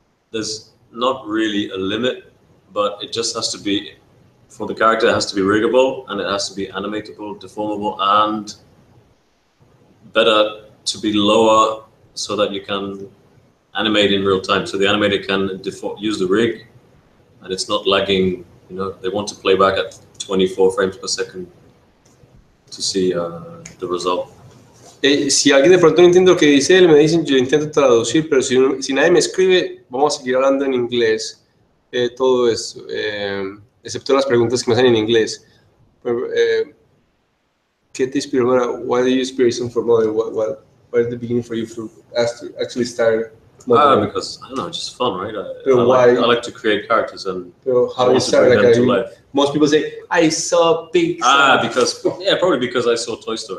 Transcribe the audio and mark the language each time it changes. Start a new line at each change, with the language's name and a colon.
English: There's not really a limit, but it just has to be for the character, it has to be riggable and it has to be animatable, deformable, and better to be lower so that you can animate in real time. So the animator can use the rig and it's not lagging. You know, they want to play back at 24 frames per second to see the result.
Spanish: Si alguien de pronto no entiende lo que dice él, me dicen, yo intento traducir, pero si nadie me escribe, vamos a seguir hablando en inglés. Todo eso, excepto las preguntas que me hacen en inglés. ¿Qué te inspiró?
English: Why do you inspiration for modeling? What is the beginning for you to actually start modeling? Because I don't know, it's just fun, right? I like to create characters and how you start like to life. Most people say I saw Pixar. Probably because I saw Toy Story.